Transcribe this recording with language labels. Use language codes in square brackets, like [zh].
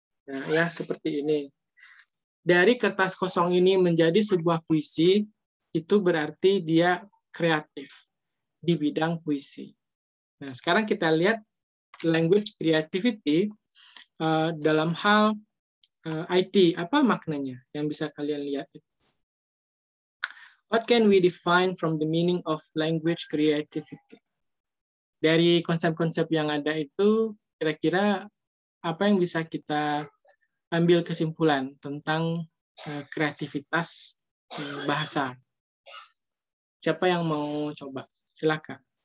[id] Nah, ya seperti ini. Dari kertas kosong ini menjadi sebuah puisi, itu berarti dia kreatif di bidang puisi. Nah, sekarang kita lihat language creativity dalam hal IT. Apa maknanya yang bisa kalian lihat? [en] What can we define from the meaning of language creativity? [id] Dari konsep-konsep yang ada itu, kira-kira apa yang bisa kita ambil kesimpulan tentang kreativitas bahasa? Siapa yang mau coba? Silakan.